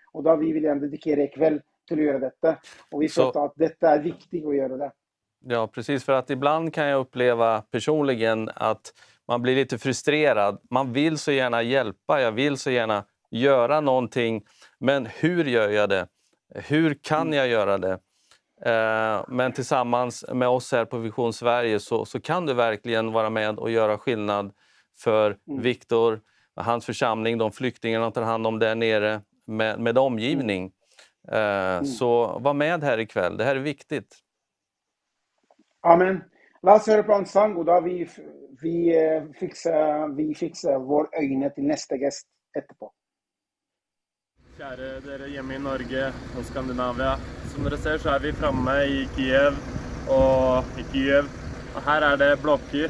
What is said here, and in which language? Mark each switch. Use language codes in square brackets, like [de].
[no] Og da vil vi gjerne dedikere i kveld til å gjøre dette. Og vi tror at dette er viktig å gjøre det. [sv] Ja, precis. För att ibland kan jag uppleva personligen att man blir lite frustrerad. Man vill så gärna hjälpa, jag vill så gärna göra någonting. Men hur gör jag det? Hur kan jag göra det? Men tillsammans med oss här på Vision Sverige så kan du verkligen vara med och göra skillnad för Viktor, hans församling, de flyktingarna tar hand om där nere med omgivning. Så var med här ikväll, det här är viktigt. Amen. [no] La oss høre på en sang, og da vi fikser våre øyne til neste gjest etterpå. Kjære dere hjemme i Norge og Skandinavia, som dere ser så er vi fremme i Kiev. Og her er det blokker.